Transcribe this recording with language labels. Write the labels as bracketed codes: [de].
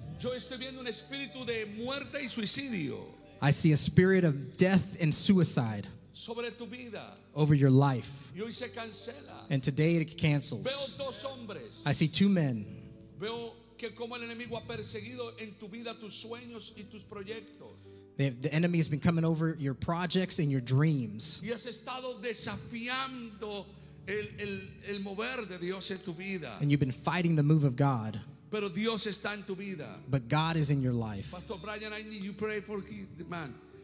[es] Yo estoy viendo un espíritu de muerte y suicidio. [en] I see a spirit of death and suicide. [es] Sobre tu vida. [en] Over your life. [es] Y hoy se cancela. [en] And today it cancels. [es] Veo dos hombres. [en] I see two men. [es] Veo que como el enemigo ha perseguido en tu vida tus sueños y tus proyectos. [en] The enemy has been coming over your projects and your dreams. [es] Y has estado desafiando el mover de Dios en tu vida. [en] And you've been fighting the move of God. [es] Pero Dios está en tu vida. [en] But God is in your life. Pastor Brian, I need you pray for him, man.